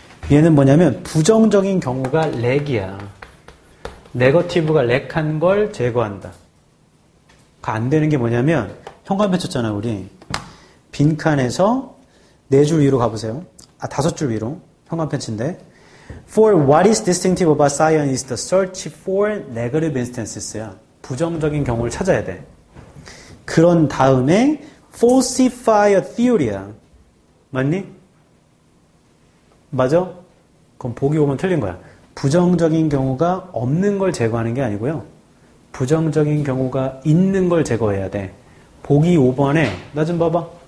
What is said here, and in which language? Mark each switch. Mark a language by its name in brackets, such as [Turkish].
[Korean] 얘는 뭐냐면 부정적인 경우가 lag이야. 네거티브가 lag한 걸 제거한다. 그 안 되는 게 뭐냐면 현관 펼쳤잖아 우리. 빈칸에서 네 줄 위로 가보세요. 아, 다섯 줄 위로. 현관 펼친데. [English] For what is distinctive about Zion is the search for negative instances야. [Korean] 부정적인 경우를 찾아야 돼. 그런 다음에 falsify a theory야. 맞니? 맞아? 그럼 보기 보면 틀린 거야. 부정적인 경우가 없는 걸 제거하는 게 아니고요. 부정적인 경우가 있는 걸 제거해야 돼. 보기 5번에, 나 좀 봐봐.